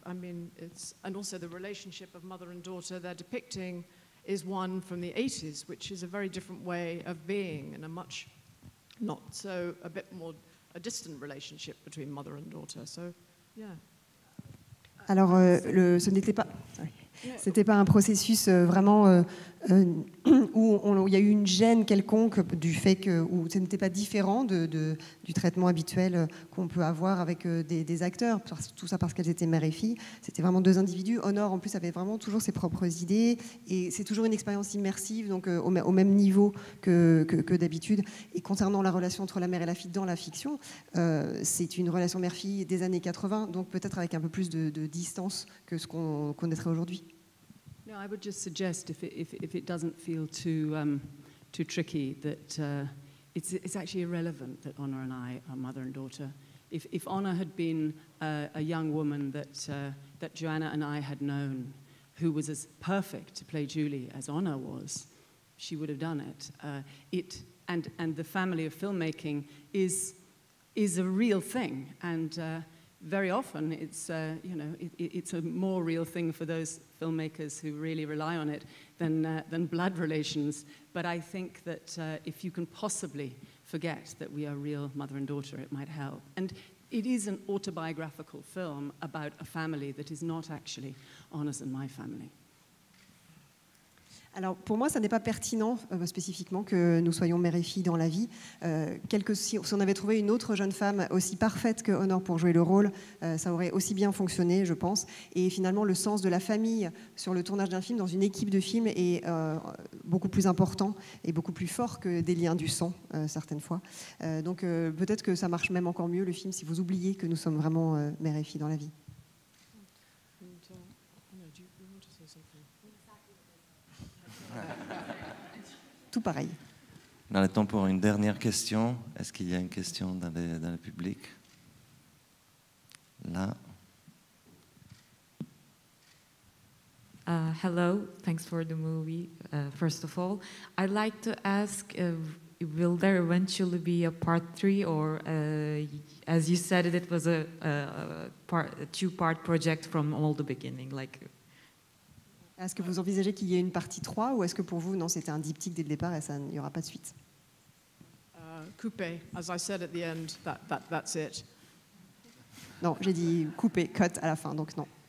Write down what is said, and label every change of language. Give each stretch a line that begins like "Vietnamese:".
English: I mean, it's, and also the relationship of mother and daughter they're depicting is one from the 80s, which is a very different way of being, and a bit more distant relationship between mother and daughter. So, yeah.
French: Alors, ce n'était pas...
English: Sorry.
French: C'était pas un processus vraiment où il y a eu une gêne quelconque du fait que où ce n'était pas différent du traitement habituel qu'on peut avoir avec des acteurs, tout ça parce qu'elles étaient mère et fille. C'était vraiment deux individus. Honor, en plus, avait vraiment toujours ses propres idées, et c'est toujours une expérience immersive, donc au même niveau que d'habitude. Et concernant la relation entre la mère et la fille dans la fiction, c'est une relation mère-fille des années 80, donc peut-être avec un peu plus de distance que ce qu'on connaîtrait aujourd'hui.
English: No, I would just suggest if it doesn't feel too tricky, that it's actually irrelevant that Honor and I are mother and daughter. If Honor had been a young woman that Joanna and I had known, who was as perfect to play Julie as Honor was, she would have done it. And the family of filmmaking is a real thing, and very often it's you know, it's a more real thing for those filmmakers who really rely on it than blood relations. But I think that if you can possibly forget that we are real mother and daughter, it might help. And it is an autobiographical film about a family that is not actually Anna's and my family.
French: Alors, pour moi, ça n'est pas pertinent spécifiquement que nous soyons mère et fille dans la vie. Si on avait trouvé une autre jeune femme aussi parfaite que Honor pour jouer le rôle, ça aurait aussi bien fonctionné, je pense. Et finalement, le sens de la famille sur le tournage d'un film, dans une équipe de films, est beaucoup plus important et beaucoup plus fort que des liens du sang, certaines fois. Donc, peut-être que ça marche même encore mieux, le film, si vous oubliez que nous sommes vraiment mère et fille dans la vie. Tout pareil. On a le temps pour une dernière question. Est-ce qu'il y a une question dans le public? Là.
English: Hello, thanks for the movie, first of all. I'd like to ask, will there eventually be a part three, or as you said, it was a two-part project from all the beginning, like...
French: Est-ce que vous envisagez qu'il y ait une partie 3 ou est-ce que pour vous, non, c'était un diptyque dès le départ et ça n'y aura pas de suite?
English: Coupé, as I said at the end, that's it.
French: Non, j'ai dit coupé, cut à la fin, donc non.